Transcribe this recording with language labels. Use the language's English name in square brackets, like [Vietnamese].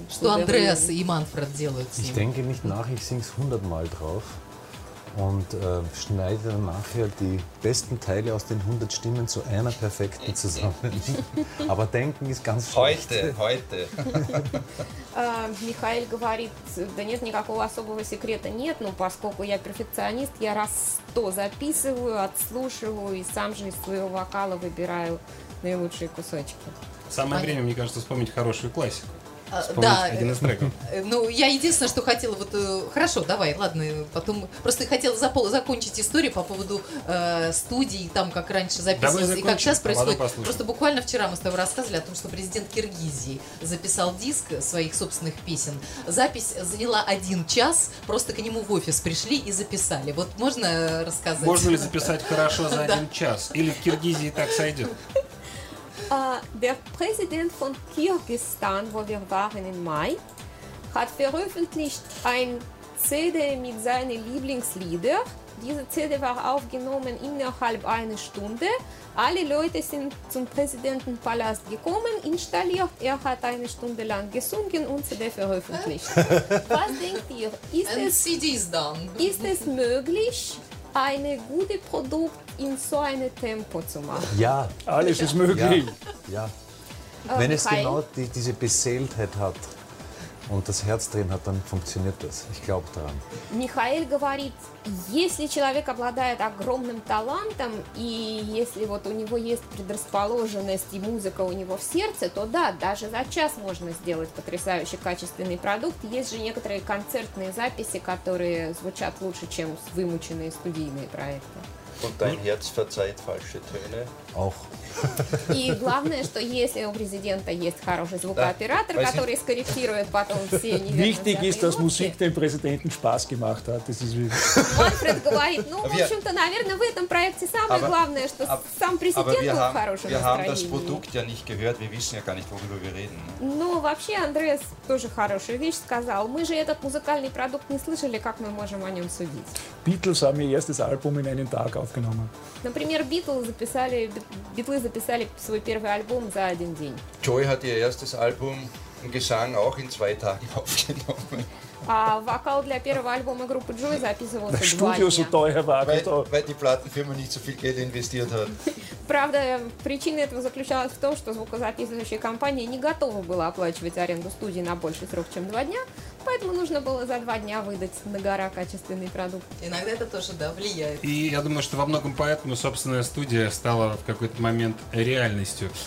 [Russian] Что Андреас и Манфред делают с ним? [German] Ich denke nicht nach, ich sing's 100 Mal drauf und schneide dann nachher die besten Teile aus den 100 Stimmen zu einer perfekten zusammen. Aber denken ist ganz schlecht. Heute. [Russian] Михаил говорит, да нет, никакого особого секрета нет, но поскольку я перфекционист, я раз 100 записываю, отслушиваю и сам же из своего вокала выбираю наилучшие кусочки. Самое время, мне кажется, вспомнить хорошую классику. Вспомнить один из треков. Ну, я единственное, что хотела... вот хорошо, давай, ладно, потом... Просто хотела закончить историю по поводу студии, там, как раньше записывалось, и как сейчас происходит. Просто буквально вчера мы с тобой рассказывали о том, что президент Киргизии записал диск своих собственных песен. Запись заняла 1 час, просто к нему в офис пришли и записали. Вот можно рассказать? Можно ли записать хорошо за 1 час? Или в Киргизии так сойдет? [German] Der Präsident von Kirgisistan, wo wir waren im Mai, hat veröffentlicht ein CD mit seinen Lieblingsliedern, diese CD war aufgenommen innerhalb einer Stunde. Alle Leute sind zum Präsidentenpalast gekommen, installiert. Er hat eine Stunde lang gesungen und CD veröffentlicht. Was denkt ihr? Ist es, CDs dann. Ist es möglich, ein gutes Produkt in so einem Tempo zu machen? Ja, alles ist möglich. Ja. Wenn es genau diese Beseeltheit hat und das Herz drin hat, dann funktioniert das. Ich glaube daran. [Russian] Michael говорит, если человек обладает огромным талантом и если вот у него есть предрасположенность и музыка у него в сердце, то да, даже за час можно сделать потрясающе качественный продукт. Есть же некоторые концертные записи, которые звучат лучше, чем вымученные студийные проекты. [German] Und dein Herz verzeiht falsche Töne. Auch. [Russian] И главное, что если у президента есть хороший звукооператор, который скорректирует потом все неверные звуки. [German] Wichtig ist, dass Musik dem Präsidenten Spaß gemacht hat. [Russian] Манфред говорит, ну, в общем-то, наверное, в этом проекте самое главное, что сам президент был в хорошем настроении. [German] Wir haben das Produkt ja nicht gehört, wir wissen ja gar nicht, worüber wir reden. [Russian] Ну, вообще, Андреас тоже хорошую вещь сказал. Мы же этот музыкальный продукт не слышали, как мы можем о нем судить? [German] Beatles haben ihr erstes Album in einem Tag aufgenommen. [Russian] Например, Beatles записали свой первый альбом за один день. [German] Joy hat ihr erstes Album im Gesang auch in zwei Tagen aufgenommen. [Russian] А вокал для первого альбома группы Joy записывался два дня. [German] Studio so teuer war, weil die Plattenfirma nicht so viel Geld investiert hat. [Russian] Правда, причина этого заключалась в том, что звукозаписывающая компания не готова была оплачивать аренду студии на больше срок, чем два дня. Поэтому нужно было за два дня выдать на гора качественный продукт. Иногда это тоже, да, влияет. И я думаю, что во многом поэтому собственная студия стала в какой-то момент реальностью.